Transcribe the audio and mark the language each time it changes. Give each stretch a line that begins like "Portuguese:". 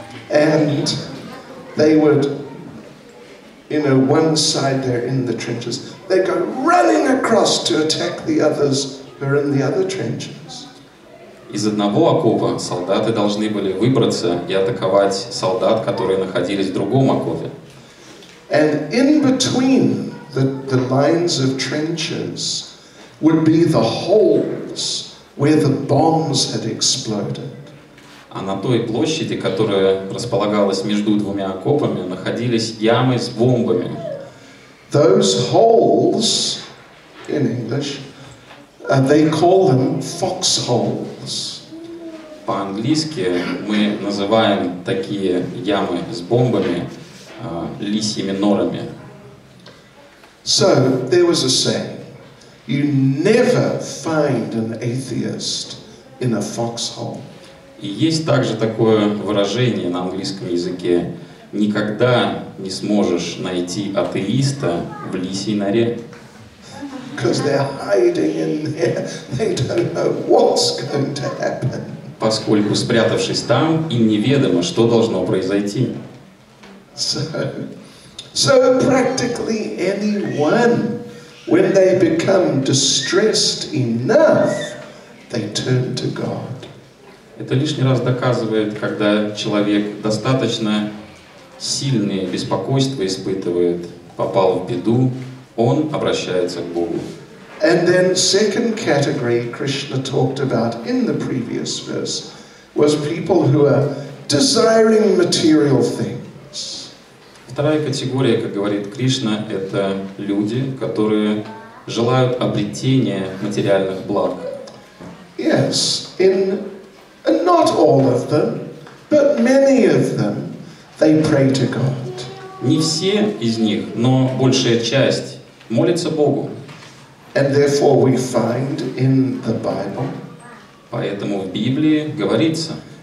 English: And they would, you know, one side there in the trenches, they go running across to attack the others who are in the other trenches.
Russian: Из одного окопа солдаты должны были выбраться и атаковать солдат, которые находились в другом окопе.
English: And in between the lines of trenches would be the holes where the bombs had exploded.
Russian: А на той площади, которая располагалась между двумя окопами, находились ямы с бомбами.
English: Those holes, in English, they call them foxholes.
Russian: По-английски мы называем такие ямы с бомбами лисьими норами.
English: So there was a saying: you never find an atheist in a foxhole.
Russian: И есть также такое выражение на английском языке: никогда не сможешь найти атеиста в лисьей норе.
English: Because they're hiding in there, they don't know what's going to happen.
Russian: Поскольку спрятавшись там, им неведомо, что должно произойти.
English: So practically anyone, when they become distressed enough, they turn to God.
Russian: Это лишний раз доказывает, когда человек достаточно сильные беспокойства испытывает, попал в беду, он обращается к Богу.
English: And then second category Krishna talked about in the previous verse was people who are desiring material things.
Russian: Вторая категория, как говорит Кришна, это люди, которые желают обретения материальных благ.
English: Yes, in not all of them, but many of them, they pray to God.
Russian: Не все из них, но большая часть молится Богу.
English: And therefore we find in the Bible.
Russian: Поэтому в Библии говорится: